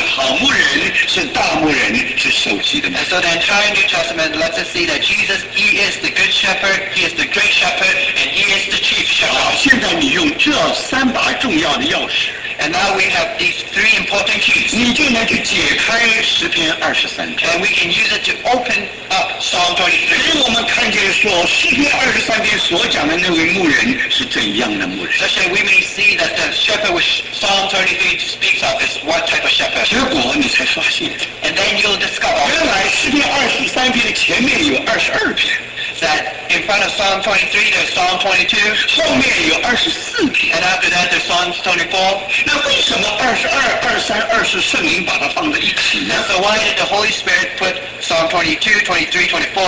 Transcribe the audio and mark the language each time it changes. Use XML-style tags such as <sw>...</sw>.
<zh>所以全本新约给我们看见主是好牧人，是大牧人，是首席的牧人。</zh> <en>And so the entire New Testament lets us see that Jesus, he is the good shepherd, he is the great shepherd, and he is the chief shepherd.</en> <zh>现在你用这三把重要的钥匙。</zh> <en>And now we have these three important keys.</en> <zh>你就能去解开诗篇23篇。</zh> <en>And we can use it to open up Psalm 23.</en> <zh>给我们看见说诗篇23篇所讲的那位牧人是怎样的牧人。</zh> <en>Such that we may see that the shepherd which Psalm 23 speaks of is what type of shepherd.</en> <zh>结果你才发现,</zh> <en>and then you'll discover.</en> <zh>原来诗篇23篇的前面有22篇。</zh> <en>That in front of Psalm 23, there's Psalm 22.</en> <zh>后面有24篇,</zh> <en>and after that, there's Psalm 24.</en> <zh>那为什么22、23、24圣灵把它放在一起呢?</zh> <en>So why did the Holy Spirit put Psalm 22, 23, 24</en>